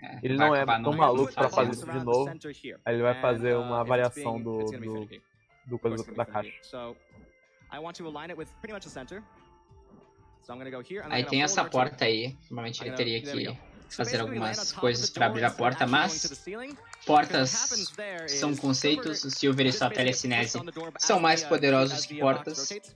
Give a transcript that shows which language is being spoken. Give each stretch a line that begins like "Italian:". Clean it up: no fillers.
Portuguese: Ele não é tão maluco para fazer isso de novo. Aí ele vai fazer uma variação do puzzle da caixa.
English: So, I want to align it with pretty much the center. So I'm gonna go here.
Portuguese: Aí tem essa porta aí. Normalmente ele teria que fazer algumas coisas para abrir a porta, mas portas são conceitos, o Silver e sua telecinese são mais poderosos que portas.